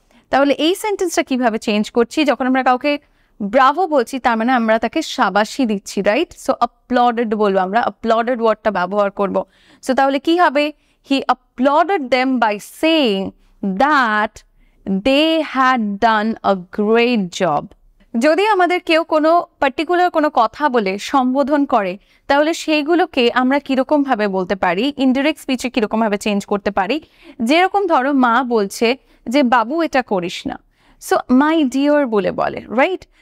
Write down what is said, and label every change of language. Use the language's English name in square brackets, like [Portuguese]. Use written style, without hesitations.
[Bangla] তাহলে এই সেন্টেন্সটা কিভাবে চেঞ্জ করছি? যখন আমরা কাউকে ব্রাভো বলছি তার মানে আমরা তাকে সাবাসি দিচ্ছি, রাইট? সো applauded বলবো আমরা, applauded ওয়ার্ডটা ব্যবহার করব. [English] so [Bangla] তাহলে কি হবে, [English] He applauded them by saying that They had done a great job. [Bangla] যদি আমাদের কেউ কোনো পার্টিকুলার কোনো কথা বলে সম্বোধন করে, তাহলে সেইগুলোকে আমরা কীরকমভাবে বলতে পারি, ইনডিরেক্ট স্পিচে কীরকমভাবে চেঞ্জ করতে পারি? যেরকম ধরো মা বলছে যে বাবু এটা করিস না, সো মাই ডিয়র বলে বলে, রাইট?